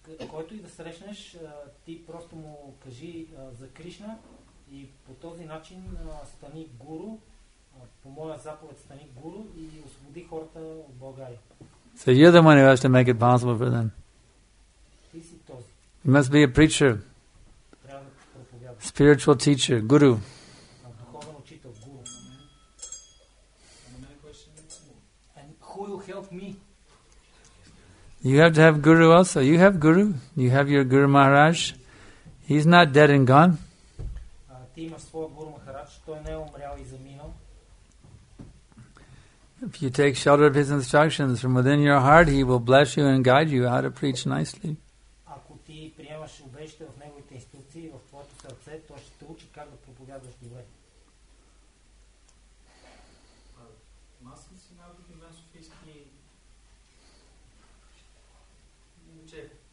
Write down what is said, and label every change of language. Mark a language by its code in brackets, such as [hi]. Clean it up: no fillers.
[bg] Който и да срещнеш, ти просто му кажи за Кришна и по този начин стани гуру. По моя заповед стани гуру и освободи хората от България. [en] So you're the one who has to make it possible for them. [bg] Ти си този. [en] You must be a preacher. [bg] Трябва да проповядваш. [en] Spiritual teacher, guru. [bg] Духовен учител, гуру. [en] And who will help me? You have to have guru also. You have guru. You have your Guru Maharaj. He's not dead and gone. [bg] Ти имаш своя Guru Maharaj. Той не е умрял и заминал. [en] If you take shelter of his instructions from within your heart, he will bless you and guide you how to preach nicely. [bg] Ако ти приемаш обещите в неговите инструкции, в твоето сърце, то ще те учи как да проповядваш добре. Аз съм си малко към нас офиски момче.